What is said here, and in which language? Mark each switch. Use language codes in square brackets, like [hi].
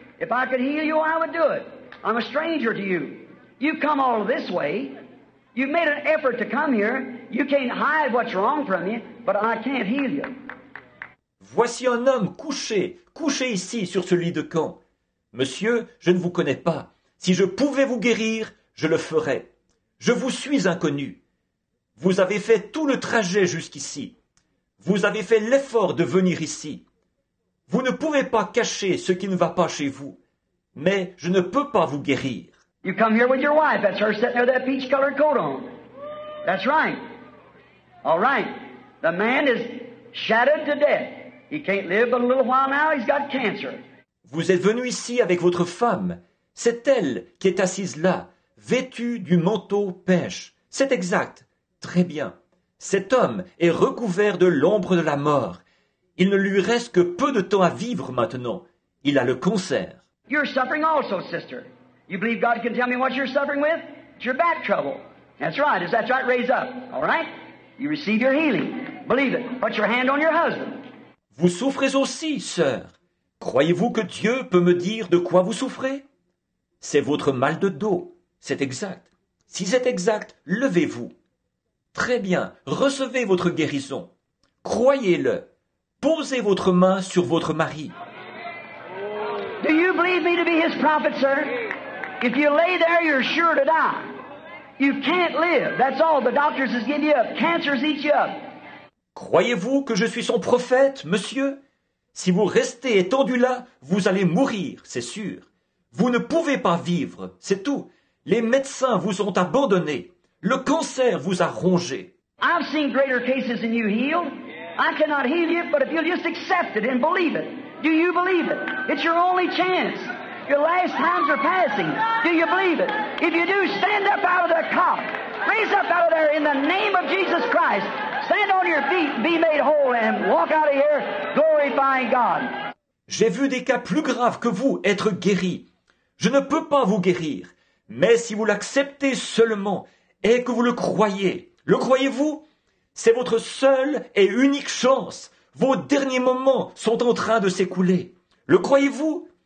[en] If I could heal you, I would do it. I'm a stranger to you. You've come all this way. You've made an effort to come here. You can't hide what's wrong from you, but I can't heal you. [fr] Voici un homme couché ici sur ce lit de camp. Monsieur, je ne vous connais pas. Si je pouvais vous guérir, je le ferais. Je vous suis inconnu. Vous avez fait tout le trajet jusqu'ici. Vous avez fait l'effort de venir ici. Vous ne pouvez pas cacher ce qui ne va pas chez vous. Mais je ne peux pas vous guérir. [en] You come here with your wife. That's her sitting there with that peach-colored coat on. That's right. All right. The man is shattered to death. He can't live but a little while now. He's got cancer. [fr] Vous êtes venu ici avec votre femme. C'est elle qui est assise là, vêtue du manteau pêche. C'est exact. Très bien. Cet homme est recouvert de l'ombre de la mort. Il ne lui reste que peu de temps à vivre maintenant. Il a le cancer. [en] You're suffering also, sister. You believe God can tell me what you're suffering with? It's your back trouble. That's right. Is that right? Raise up. All right? You receive your healing. Believe it. Put your hand on your husband. [fr] Vous souffrez aussi, sœur. Croyez-vous que Dieu peut me dire de quoi vous souffrez? C'est votre mal de dos. C'est exact. Si c'est exact, levez-vous. Très bien. Recevez votre guérison. Croyez-le. Posez votre main sur votre mari. [en] Do you believe me to be his prophet, sir? If you lay there, you're sure to die. You can't live. That's all. The doctors has given you up. Cancer's eat you up. [fr] Croyez-vous que je suis son prophète, monsieur? Si vous restez étendu là, vous allez mourir, c'est sûr. Vous ne pouvez pas vivre, c'est tout. Les médecins vous ont abandonné. Le cancer vous a rongé. [en] I've seen greater cases than you healed. I cannot heal you, but if you'll just accept it and believe it. Do you believe it? It's your only chance. Your last times are passing. Do you believe it? If you do, stand up out of the cot. Raise up out of there in the name of Jesus Christ. Stand on your feet, be made whole, and walk out of here glorifying God. [fr] J'ai vu des cas plus graves que vous être guéris. Je ne peux pas vous guérir. Mais si vous l'acceptez seulement et que vous le croyez, le croyez-vous? C'est votre seule et unique chance. Vos derniers moments sont en train de s'écouler. Le croyez-vous?